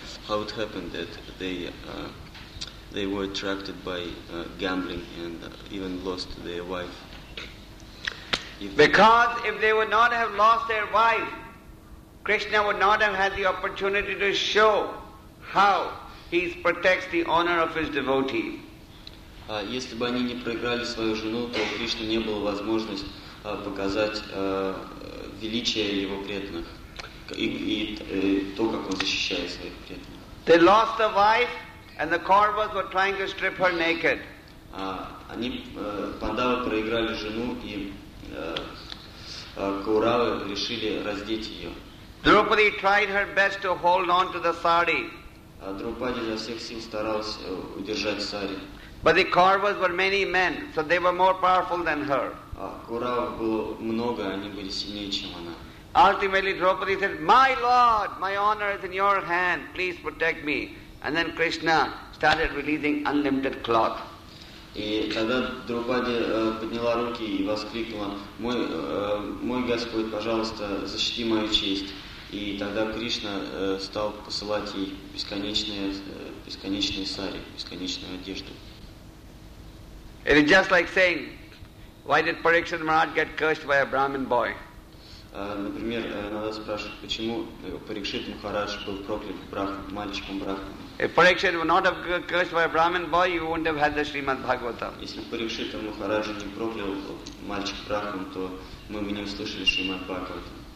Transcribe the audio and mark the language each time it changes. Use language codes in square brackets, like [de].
[en] How it happened that they were attracted by gambling and even lost their wife? If they would not have lost their wife, Krishna would not have had the opportunity to show how he protects the honor of his devotee. [ru] Если бы они не проиграли свою жену, то у Кришны не было возможности показать величие его преданных и то, как он защищает своих преданных. [en] They lost the wife, and the Kauravas were trying to strip her naked. [ru] Они Пандавы проиграли жену, и Кауравы решили раздеть ее. [en] Draupadi tried her best to hold on to the sari. [ru] Draupadi изо всех сил старалась удержать сари. [en] But the Kauravas were many men, so they were more powerful than her. [ru] Куравов было много, они были сильнее, чем она. [en] Ultimately, Draupadi said, "My Lord, my honor is in your hand. Please protect me." And then Krishna started releasing unlimited cloth. [ru] И тогда Драупади подняла руки и воскликнула: "Мой Господь, пожалуйста, защити мою честь." И тогда Кришна стал посылать ей бесконечные сари, бесконечную одежду. [en] It is just like saying, why did Parikshit Maharaj get cursed by a Brahmin boy? [ru] Например, надо спрашивать, почему Парикшит Махарадж был проклят мальчиком Брахманом? [en] If Parikshit would not have cursed by a Brahmin boy, you wouldn't have had the Srimad Bhagavatam. [ru] Если Парикшит Махарадж не проклял мальчик Брахман, то мы бы не услышали Шримад Бхагаватам.